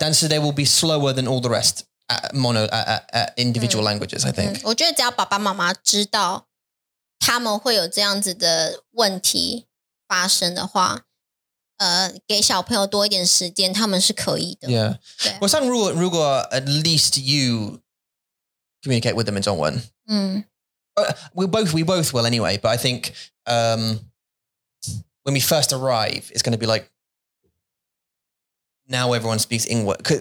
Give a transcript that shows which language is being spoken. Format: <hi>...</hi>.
<en>Then so they will be slower than all the rest at mono, at individual languages, I think.</en> <zh>我觉得只要爸爸妈妈知道他们会有这样子的问题发生的话，给小朋友多一点时间，他们是可以的。</zh> <en>Yeah.</en> <zh>我想如果</zh> <en>at least you communicate with them in 中文. We both will anyway, but I think, When we first arrive, it's going to be like, now everyone speaks English.</en>